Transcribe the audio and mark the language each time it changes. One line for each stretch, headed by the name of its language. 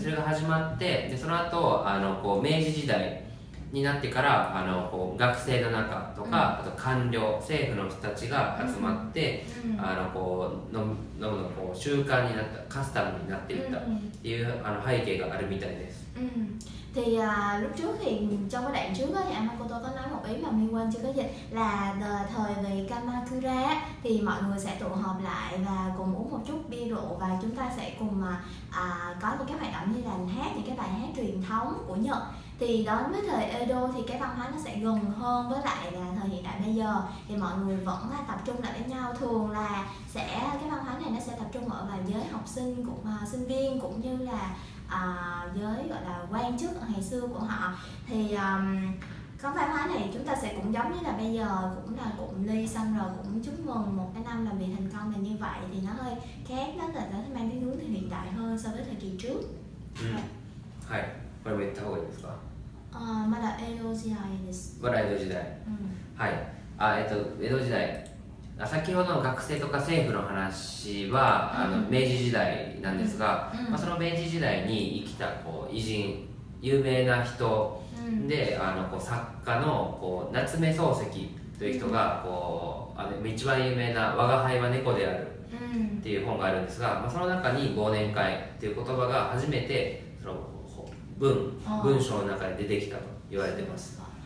Japanese: それが始まって、でその後こう明治時代になってから、こう学生の中とか、うん、あと官僚、政府の人たちが集まって、うん、こう飲むのこう習慣になった、カスタムになっていったっていう、うん、背景があるみたいです。
Vietnamese: うん、thì lúc trước thì trong cái đoạn trước thì Amako tôi có nói một ý mà Minh Quân chưa có dịch là thời vì Kamakura thì mọi người sẽ tụ họp lại và cùng uống một chút bia rượu và chúng ta sẽ cùng có những cái hoạt động như là hát những cái bài hát truyền thống của Nhật. Thì đối với thời Edo thì cái văn hóa nó sẽ gần hơn với lại là thời hiện đại bây giờ, thì mọi người vẫn tập trung lại với nhau, thường là sẽ cái văn hóa này nó sẽ tập trung ở vào giới học sinh cũng sinh viên cũng như là giới gọi là quan chức ngày xưa của họ. Thì cái văn hóa này chúng ta sẽ cũng giống như là bây giờ, cũng là cụm ly xong rồi cũng chúc mừng một cái năm làm việc thành công là như vậy, thì nó hơi khác, nó là nó mang cái hướng thì hiện đại hơn so với thời kỳ trước.
Japanese: Hai, これも言った方がいいですか？まだ江戸時代です。まだ江戸時代。はい。江戸時代。先ほどの学生とか政府の話は明治時代なんですが、まあ、その明治時代に生きたこう偉人、有名な人で、こう作家のこう夏目漱石という人がこう一番有名な「吾輩は猫である」っていう本があるんですが、まあ、その中に「忘年会」っていう言葉が初めてその 文章の中に出てきたと言われてます。